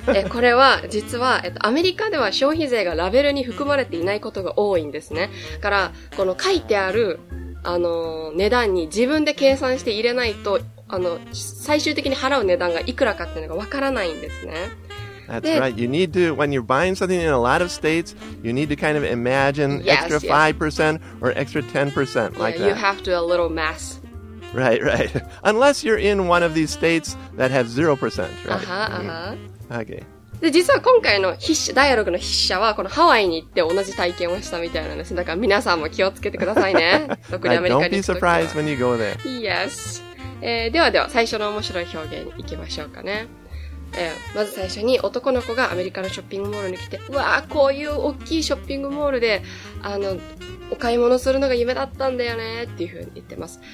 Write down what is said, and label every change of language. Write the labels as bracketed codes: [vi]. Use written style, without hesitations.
[ja] これは実は、アメリカでは消費税がラベルに含まれていないことが多いんですね。だから、この書いてある、値段に自分で計算して入れないと、最終的に払う値段がいくらかっていうのが分からないんですね。 [en] That's right. You need to, when you're buying something in a lot of states, you need to kind of imagine extra 5% or extra 10%, like that. Yeah, you have to do a little math. Right, right. Unless you're in one of these states that have 0%, right? Uh-huh. Okay. [ja] で、実は今回の筆者、ダイアログの筆者は、このハワイに行って同じ体験をしたみたいなんです。だから皆さんも気をつけてくださいね。特にアメリカに行くときは。 [en] Don't be surprised when you go there. Yes. [ja] ではでは、最初の面白い表現に行きましょうかね。まず最初に男の子がアメリカのショッピングモールに来て、うわぁ、こういう大きいショッピングモールで、お買い物するのが夢だったんだよね、っていうふうに言ってます。